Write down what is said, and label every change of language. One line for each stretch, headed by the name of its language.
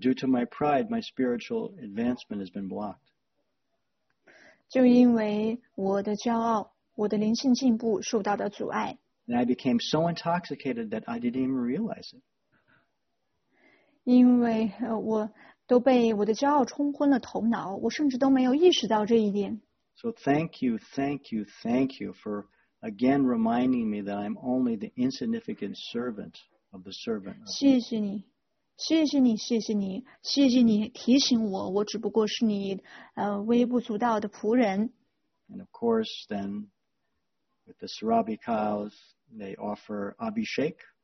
English: due to my pride, my spiritual advancement has been blocked.
Chinese: 就因为我的骄傲，我的灵性进步受到的阻碍。
English: And I became so intoxicated that I didn't even realize it.
Chinese: 因为我 都被我的骄傲冲昏了头脑，我甚至都没有意识到这一点。
English: So thank you for again reminding me that I'm only the insignificant servant of the servant.
Chinese: 谢谢你提醒我，我只不过是你微不足道的仆人。
English: And of course, then with the Sarabi cows, they offer Abhishek.